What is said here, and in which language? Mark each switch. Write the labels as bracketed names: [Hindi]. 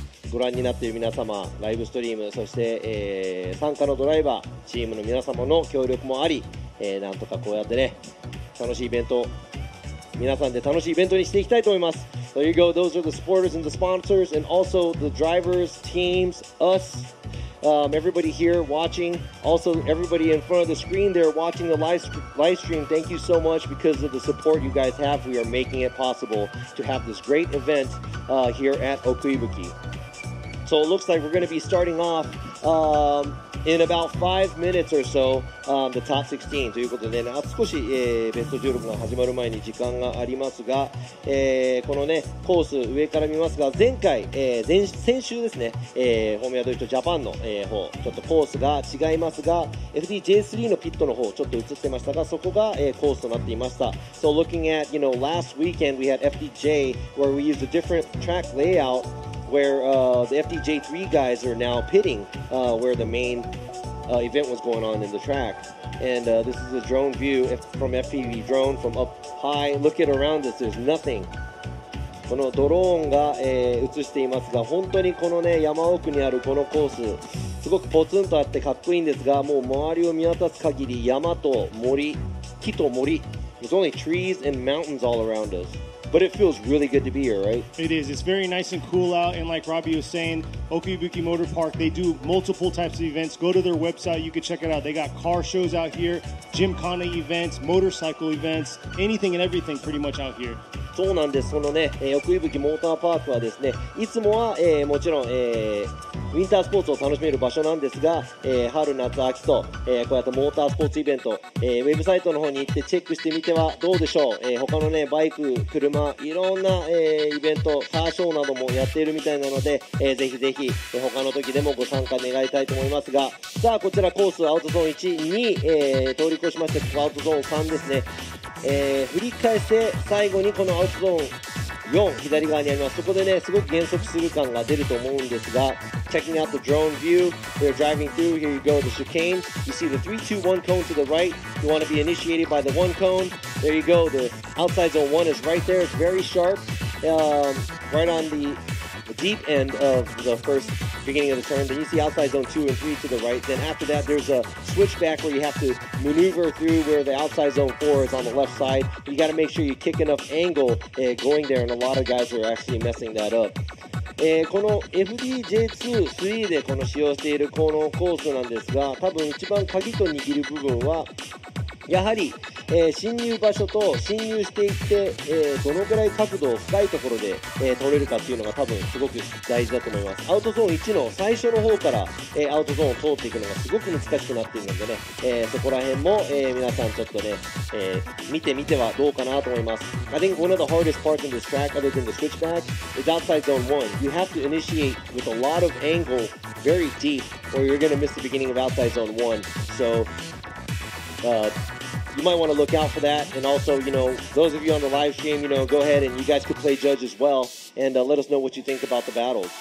[Japanese] ご覧になっている皆様、ライブストリーム、そして、参加のドライバー、チームの皆様の協力もあり、なんとかこうやってね、楽しいイベント、皆さんで楽しいイベントにしていきたいと思います。 [English] There you go. Those are the supporters and the sponsors, and also the drivers, teams, us, everybody here watching. Also, everybody in front of the screen there watching the live stream. Thank you so much because of the support you guys have. We are making it possible to have this great event here at Okuibuki. So it looks like we're going to be starting off in about 5 minutes or so, the top 16. [Japanese] ということでね、あと少し、ベスト16が始まる前に時間がありますが、このね、コース上から見ますが、前回、先週ですね、ホームヤドリフトジャパンの、方、ちょっとコースが違いますが、FDJ3 のピットの方、ちょっと映ってましたが、そこが、コースとなっていました。 [English] So looking at, you know, last weekend we had FDJ where we used a different track layout. Where the FDJ3 guys are now pitting where the main event was going on in the track. And this is a drone view from FPV drone from up high. Look at around us, there's nothing. [Japanese] このドローンが、映していますが、本当にこの、ね、山奥にあるこのコース、すごくポツンとあってかっこいいんですが、もう周りを見渡す限り山と森、木と森。 [English] There's only trees and mountains all around us. But it feels really good to be here, right? It is. It's very nice and cool out. And like Robbie was saying, Okuibuki Motorpark, they do multiple types of events. Go to their website. You can check it out. They got car shows out here, Gymkhana events, motorcycle events, anything and everything pretty much out here. [Japanese] そうなんです。そのね、Okuibuki Motorpark はですね、いつもは、もちろん、ウィンタースポーツを楽しめる場所なんですが、春、夏、秋と、こうやってモータースポーツイベント、ウェブサイトの方に行ってチェックしてみてはどうでしょう。他のね、バイク、車、いろんな、イベント、カーショーなどもやっているみたいなので、ぜひぜひ、他の時でもご参加願いたいと思いますが、さあこちらコースアウトゾーン1、2、通り越しまして、アウトゾーン3ですね。振り返って最後にこのアウトゾーン4左側にあります。そこでねすごく減速する感が出ると思うんですが、 [English] checking out the drone view, they're driving through, here you go, the chicane, you see the 3-2-1 cone to the right, you want to be initiated by the one cone, there you go, the outside zone 1 is right there, it's very sharp, right on the deep end of the first beginning of the turn, then you see outside zone 2 and 3 to the right, then after that there's a switchback where you have to maneuver through where the outside zone 4 is on the left side, you gotta make sure you kick enough angle going there, and a lot of guys are actually messing that up. [Japanese] この FDJ2、3でこの使用しているこのコースなんですが、多分一番鍵と握る部分はやはり、進入場所と進入していって、どのくらい角度を深いところで、取れるかっていうのが多分すごく大事だと思います。アウトゾーン1の最初の方から、アウトゾーンを通っていくのがすごく難しくなっているのでね、そこら辺も、皆さんちょっとね、見てみてはどうかなと思います。 [English] I think one of the hardest parts in this track other than the switchback is outside zone 1. You have to initiate with a lot of angle very deep or you're going to miss the beginning of outside zone 1. SoYou might want to look out for that, and also, you know, those of you on the live stream, you know, go ahead and you guys could play judge as well, and let us know what you think about the battles.